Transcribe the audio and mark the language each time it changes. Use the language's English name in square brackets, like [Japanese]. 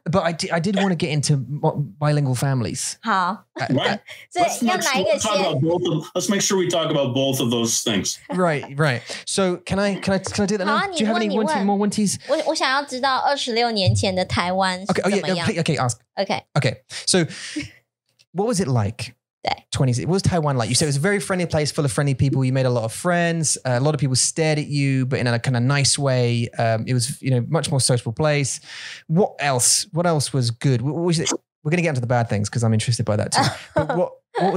[English] But I did want to get into bilingual families. 好。Let's make sure we talk about both of those things. Right, right. So can I do that now? Do you have any one-tees? [Chinese] 我想要知道26年前的台湾是怎么样。 [English] Okay, ask. Okay. Okay. So what was it like? 20, what was Taiwan like? You said it was a very friendly place, full of friendly people. You made a lot of friends. A lot of people stared at you, but in a kind of nice way. It was, you know, much more sociable place. What else? What else was good? We're going to get into the bad things because I'm interested by that too.